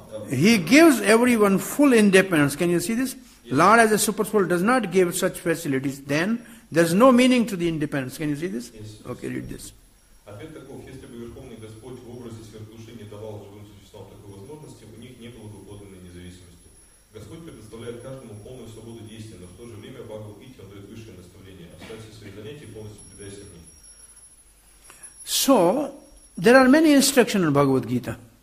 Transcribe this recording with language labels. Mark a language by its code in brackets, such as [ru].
[en] He gives everyone full independence. Can you see this? Yes. Lord as a super soul does not give such facilities. Then there's no meaning to the independence. Can you see this? Yes. Okay, read this. [ru] Ответ таков, если бы Верховный Господь в образе сверхдуши не давал живым существам такой возможности, у них не было бы подлинной независимости. Господь предоставляет каждому полную свободу действия, но в то же время Бхагавад-гите он дает высшее наставление. Оставьте свои занятия и полностью предайся мне. [en] So, there are many instructions in Bhagavad-gita.